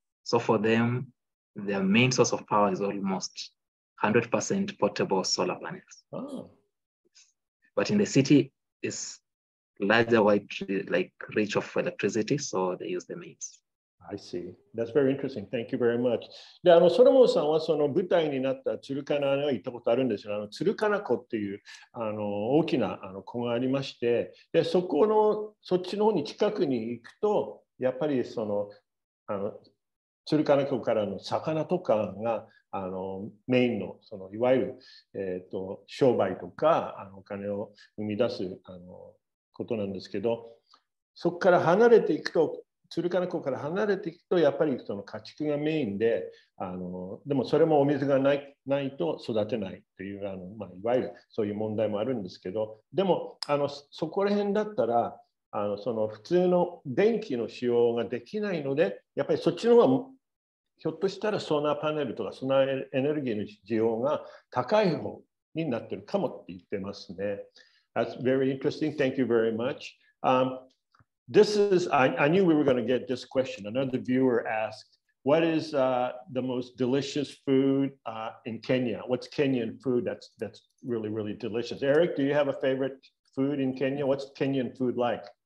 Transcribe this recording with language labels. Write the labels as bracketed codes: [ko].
[en] So for them, their main source of power is almost 100% portable solar panels. But in the city, it's larger wide reach of electricity, so they use the mains. I see. That's very interesting. Thank you very much. [ja] で、ソロモンさんはその舞台になったトゥルカナには行ったことあるんですよ。トゥルカナ湖っていう大きな湖がありまして、で、そこの、そっちの方に近くに行くと、やっぱりトゥルカナ湖からの魚とかがメインの、そのいわゆる、商売とかお金を生み出すことなんですけど、そこから離れていくと、トゥルカナ湖から離れていくとやっぱりその家畜がメインで、でもそれもお水がないと育てないという、いわゆるそういう問題もあるんですけど、でもそこら辺だったら普通の電気の使用ができないので、やっぱりそっちの方がひょっとしたらソーラーパネルとかソーラーエネルギーの需要が高い方になってるかもって言ってますね。 [en] That's very interesting. Thank you very much. This is, I knew we were going to get this question. Another viewer asked, What is the most delicious food in Kenya? What's Kenyan food that's really, really delicious? Eric, do you have a favorite food in Kenya? What's Kenyan food like?